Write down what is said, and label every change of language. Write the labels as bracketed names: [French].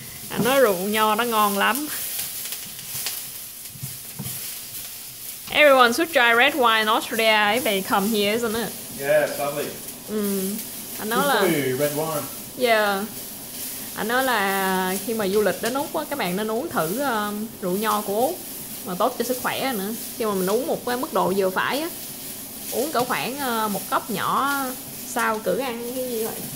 [Vietnamese] Anh nói rượu nho nó ngon lắm. [English] Everyone should try red wine in Australia if they come here, isn't it? Yeah, lovely. [Vietnamese] Anh nói là [English] red wine. Yeah. [Vietnamese] Anh nói là khi mà du lịch đến Úc á, các bạn nên uống thử rượu nho của Úc. Mà tốt cho sức khỏe nữa. Khi mà mình uống một cái mức độ vừa phải á, uống cỡ khoảng một cốc nhỏ sau cử ăn cái gì vậy?